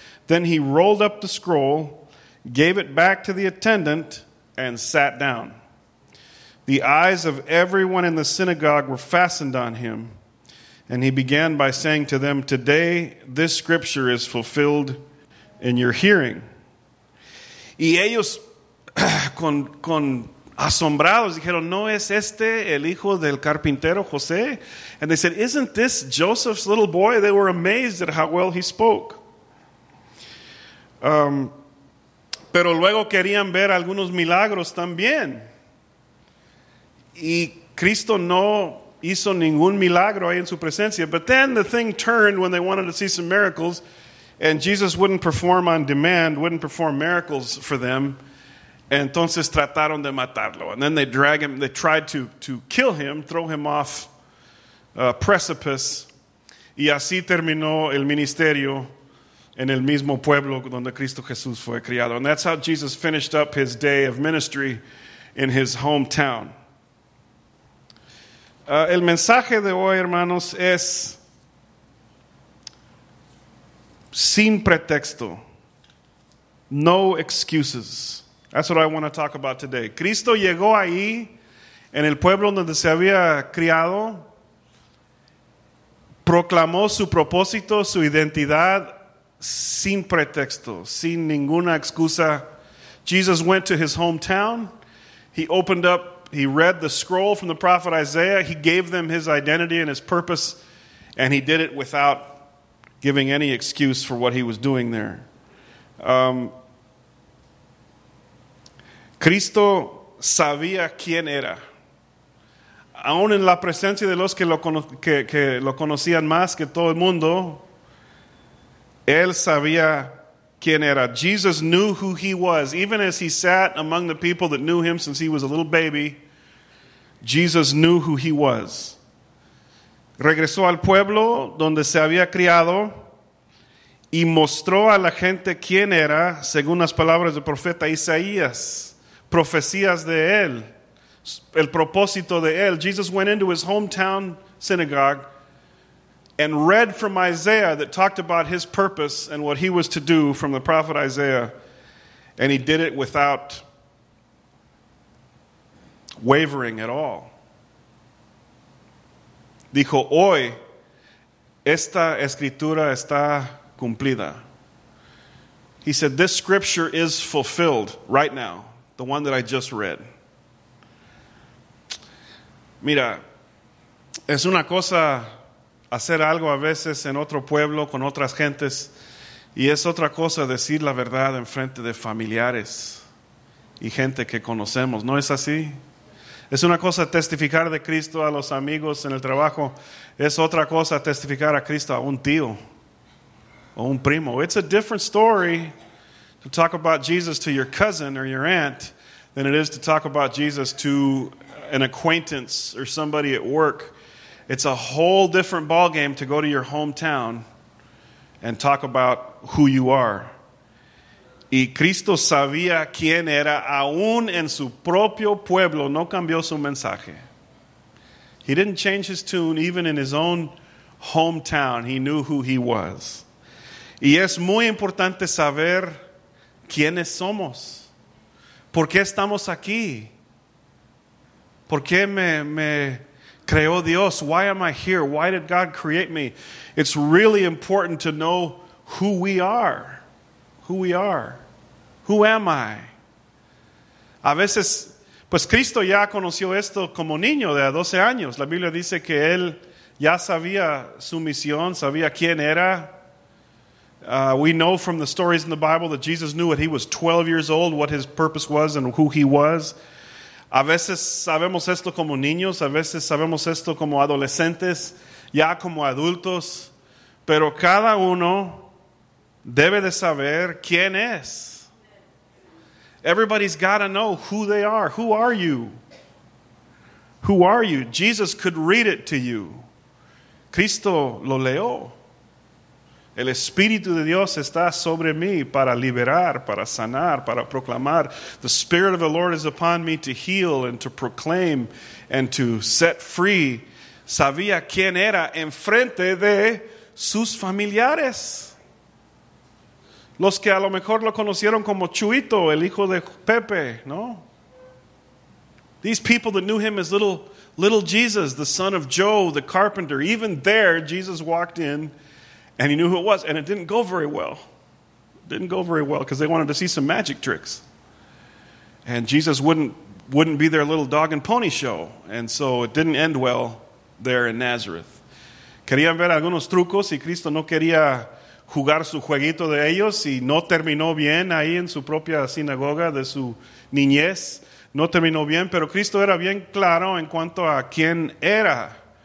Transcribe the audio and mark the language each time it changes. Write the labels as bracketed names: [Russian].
[English] Then he rolled up the scroll, gave it back to the attendant, and sat down. The eyes of everyone in the synagogue were fastened on him, and he began by saying to them, "Today this scripture is fulfilled in your hearing." [Spanish] Y ellos, con asombrados, dijeron, "¿No es este el hijo del carpintero José?" [English] And they said, "Isn't this Joseph's little boy?" They were amazed at how well he spoke. [Spanish] Pero luego querían ver algunos milagros también. Y Cristo no hizo ningún milagro ahí en su presencia. [English] But then the thing turned when they wanted to see some miracles, and Jesus wouldn't perform on demand, wouldn't perform miracles for them. [Spanish] Entonces trataron de matarlo. [English] And then they drag him, they tried to kill him, throw him off a precipice. [Spanish] Y así terminó el ministerio en el mismo pueblo donde Cristo Jesús fue criado. [English] And that's how Jesus finished up his day of ministry in his hometown. [Spanish] El mensaje de hoy, hermanos, es sin pretexto. [English] No excuses. That's what I want to talk about today. [Spanish] Cristo llegó ahí, en el pueblo donde se había criado, proclamó su propósito, su identidad, sin pretexto, sin ninguna excusa. [English] Jesus went to his hometown. He opened up He read the scroll from the prophet Isaiah. He gave them his identity and his purpose, and he did it without giving any excuse for what he was doing there. [Spanish] Cristo sabía quién era. Aún en la presencia de los que lo conocían más que todo el mundo, él sabía quién era. [English] Jesus knew who he was. Even as he sat among the people that knew him since he was a little baby, Jesus knew who he was. [Spanish] Regresó al pueblo donde se había criado y mostró a la gente quién era, según las palabras del profeta Isaías, profecías de él, el propósito de él. [English] Jesus went into his hometown synagogue and read from Isaiah that talked about his purpose and what he was to do from the prophet Isaiah. And he did it without wavering at all. [Spanish] Dijo, hoy esta escritura está cumplida. [English] He said, this scripture is fulfilled right now, the one that I just read. [Spanish] Mira, es una cosa hacer algo a veces en otro pueblo con otras gentes, y es otra cosa decir la verdad en frente de familiares y gente que conocemos. ¿No es así? Es una cosa testificar de Cristo a los amigos en el trabajo. Es otra cosa testificar a Cristo a un tío o un primo. [English] It's a different story to talk about Jesus to your cousin or your aunt than it is to talk about Jesus to an acquaintance or somebody at work. It's a whole different ballgame to go to your hometown and talk about who you are. [Spanish] Y Cristo sabía quién era aún en su propio pueblo. No cambió su mensaje. [English] He didn't change his tune even in his own hometown. He knew who he was. [Spanish] Y es muy importante saber quiénes somos. ¿Por qué estamos aquí? ¿Por qué me creó Dios? [English] Why am I here? Why did God create me? It's really important to know who we are. Who we are. Who am I? [Spanish] A veces, pues Cristo ya conoció esto como niño de 12 años. La Biblia dice que él ya sabía su misión, sabía quién era. [English] We know from the stories in the Bible that Jesus knew when he was 12 years old what his purpose was and who he was. [Spanish] A veces sabemos esto como niños, a veces sabemos esto como adolescentes, ya como adultos. Pero cada uno debe de saber quién es. [English] Everybody's got to know who they are. Who are you? Who are you? Jesus could read it to you. [Spanish] Cristo lo leo. El Espíritu de Dios está sobre mí para liberar, para sanar, para proclamar. [English] The Spirit of the Lord is upon me to heal and to proclaim and to set free. [Spanish] Sabía quién era en frente de sus familiares. Los que a lo mejor lo conocieron como Chuito, el hijo de Pepe, ¿no? [English] These people that knew him as little Jesus, the son of Joe, the carpenter. Even there, Jesus walked in and he knew who it was. And it didn't go very well. Didn't go very well because they wanted to see some magic tricks. And Jesus wouldn't be their little dog and pony show. And so it didn't end well there in Nazareth. [Spanish] Querían ver algunos trucos y Cristo no quería jugar su jueguito de ellos y no terminó bien ahí en su propia sinagoga de su niñez. No terminó bien, pero Cristo era bien claro en cuanto a quién era.